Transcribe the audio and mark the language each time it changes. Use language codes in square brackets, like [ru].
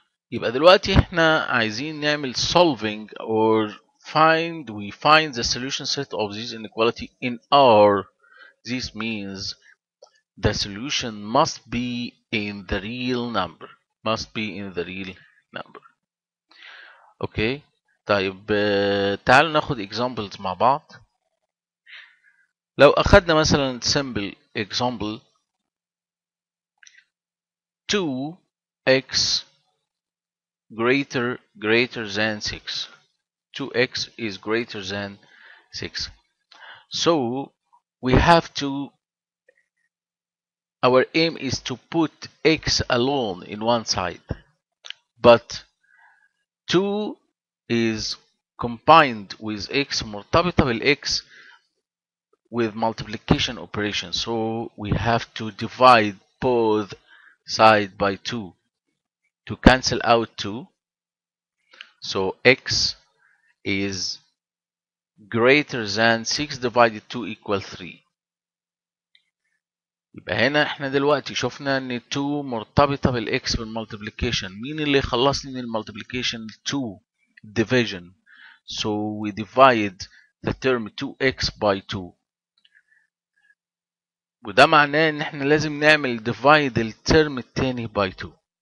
[ar] يبقى دلوقتي احنا عايزين نعمل [en] solving or find, we find the solution set of this inequality in R. This means the solution must be in the real number. Must be in the real number. Okay. [ar] طيب تعالوا ناخد examples مع بعض. لو أخذنا مثلا [en] simple example 2x greater than 6. 2x is greater than 6. So we have to, our aim is to put x alone in one side, but 2 is combined with x, [ar] مرتبطة بالx [en] with multiplication operation. So we have to divide both side by 2 to cancel out 2. So x is greater than 6 divided 2 equal 3. [ar] يبقى هنا احنا دلوقتي شفنا ان 2 مرتبطة بالx بالmultiplication. مين اللي خلصني من المultiplication 2 division. [en] So we divide the term 2x by 2. [ar] وده معناه ان احنا لازم نعمل divide الترم التاني [en] by 2.